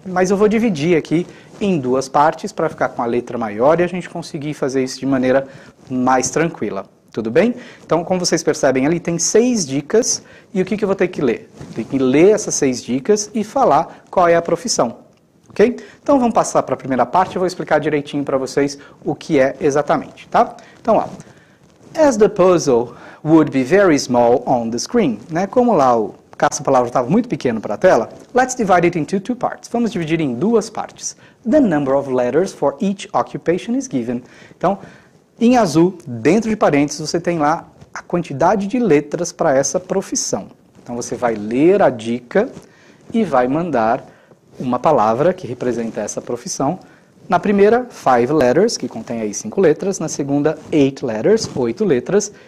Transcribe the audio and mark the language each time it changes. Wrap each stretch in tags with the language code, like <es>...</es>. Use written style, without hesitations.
<pt>Mas eu vou dividir aqui em duas partes para ficar com a letra maior e a gente conseguir fazer isso de maneira mais tranquila. Tudo bem? Então, como vocês percebem ali, tem 6 dicas. E o que, que eu vou ter que ler? Tem que ler essas 6 dicas e falar qual é a profissão. Ok? Então, vamos passar para a primeira parte. Eu vou explicar direitinho para vocês o que é exatamente. Tá? Então, ó.</pt> <en>As the puzzle would be very small on the screen.</en> <pt>Né? Como lá o... Caso a palavra estava muito pequena para a tela,</pt> <en>let's divide it into 2 parts.</en> <pt>Vamos dividir em 2 partes.</pt> <en>The number of letters for each occupation is given.</en> <pt>Então, em azul, dentro de parênteses, você tem lá a quantidade de letras para essa profissão. Então, você vai ler a dica e vai mandar uma palavra que representa essa profissão. Na primeira, 5 letters, que contém aí 5 letras. Na segunda, 8 letters, 8 letras.</pt>